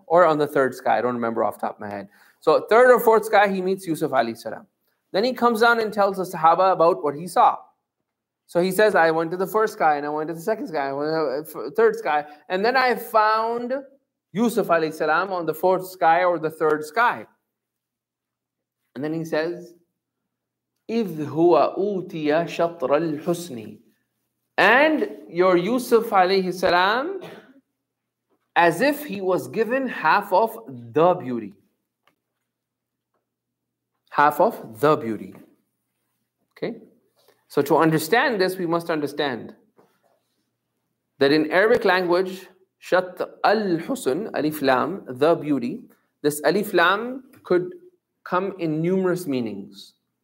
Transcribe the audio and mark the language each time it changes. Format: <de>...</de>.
<en>Or on the third sky, I don't remember off the top of my head. So third or fourth sky, he meets Yusuf alayhi salam. Then he comes down and tells the Sahaba about what he saw. So he says, I went to the first sky, and I went to the second sky, I went to the third sky. And then I found Yusuf alayhi salam on the fourth sky or the third sky. And then he says,</en> <ar>إِذْ هُوَ أُوْتِيَ شَطْرَ الْحُسْنِ.</ar> <en>And your Yusuf alayhi salam, as if he was given half of the beauty. Half of the beauty. Okay? So to understand this, we must understand that in Arabic language, Shat al-Husn, alif lam, the beauty, this alif lam could come in numerous meanings.</en>